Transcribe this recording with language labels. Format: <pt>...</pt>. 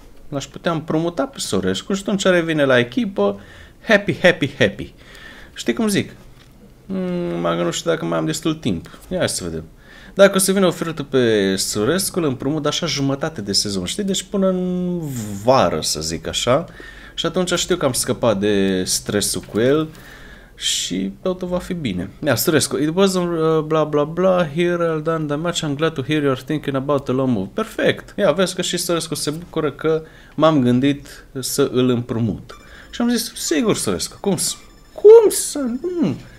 <ro>L-aș putea împrumuta pe Sorescu și atunci revine la echipă,</ro> <en>happy, happy, happy.</en> <ro>Știi cum zic? Mă nu știu dacă mai am destul timp. Ia să vedem. Dacă o să vină ofertă pe Sorescu, îl împrumut așa jumătate de sezon, știi? Deci până în vară, să zic așa. Și atunci știu că am scăpat de stresul cu el. Și totul va fi bine.</ro> <en>Ia, Sorescu, it wasn't bla bla bla, here I've done the match, I'm glad to hear you're thinking about the loan move.</en> <ro>Perfect! Ia, vezi că și Sorescu se bucură că m-am gândit să îl împrumut. Și am zis, sigur, Sorescu, cum să nu?</ro>